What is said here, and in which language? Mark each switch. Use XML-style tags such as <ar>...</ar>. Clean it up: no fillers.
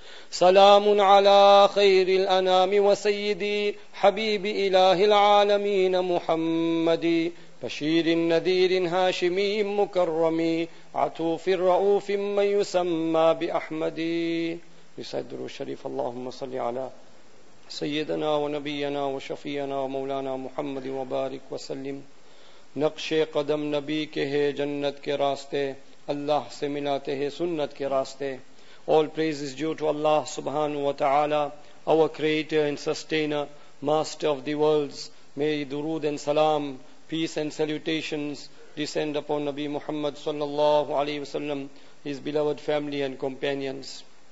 <ar>سلام على خير الأنام وسيدي حبيب إله العالمين محمد، بشير النذير هاشمي مكرم، عتوف الرؤوف من يسمى بأحمد. يسعدنا الشريف، اللهم صل على سيدنا ونبينا وشفينا ومولانا محمد وبارك وسلم.</ar> <ur>نقش قدم نبی کے ہے جنت کے راستے، اللہ سے ملاتے ہیں سنت کے راستے.</ur> <en>All praise is due to Allah subhanahu wa ta'ala, our creator and sustainer, master of the worlds. May durood and salam, peace and salutations descend upon Nabi Muhammad sallallahu alaihi wasallam, his beloved family and companions.</en>